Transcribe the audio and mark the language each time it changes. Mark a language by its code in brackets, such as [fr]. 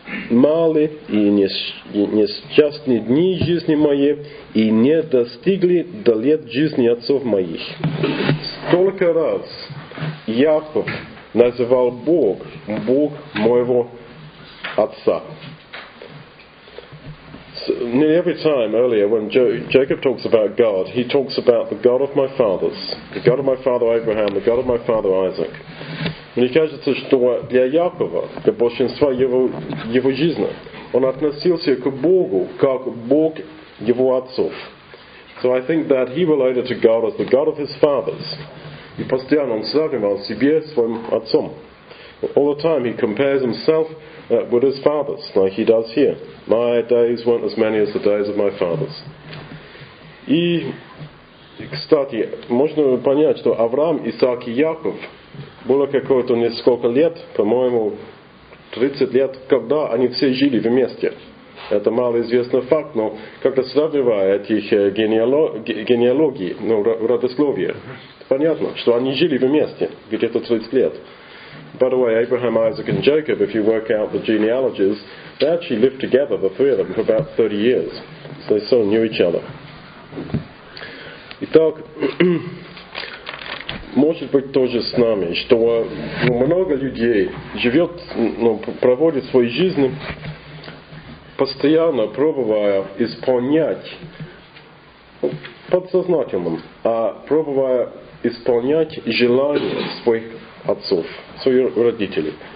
[ru] Малы и несчастные дни жизни мои и не достигли до лет жизни отцов моих. Столько раз Яков называл Бог моего отца. [en] Nearly every time earlier when Jacob talks about God, he talks about the God of my fathers, the God of my father Abraham, the God of my father Isaac. [ru] Мне кажется, что для Якова, для большинства его жизни, он относился к Богу, как Бог его отцов. [en] So I think that he related to God as the God of his fathers. All the time he compares himself with his fathers, like he does here. My days weren't as many as the days of my fathers. [ru] И, кстати, можно понять, что Авраам, Исаак и Яков было какое-то несколько лет, по-моему, 30 лет, когда они все жили вместе. Это малоизвестный факт, но как-то сравнивая этих генеалогий, ну, родословия, понятно, что они жили вместе где-то 30 лет. [en] By the way, Abraham, Isaac, and Jacob, if you work out the genealogies, they actually lived together, the three of them, for about 30 years. So they still knew each other. [ru] Итак, может быть, тоже с нами, что много людей живет, проводит свою жизнь, постоянно пробуя исполнять подсознательным, а пробуя исполнять желания своих отцов, своих родителей.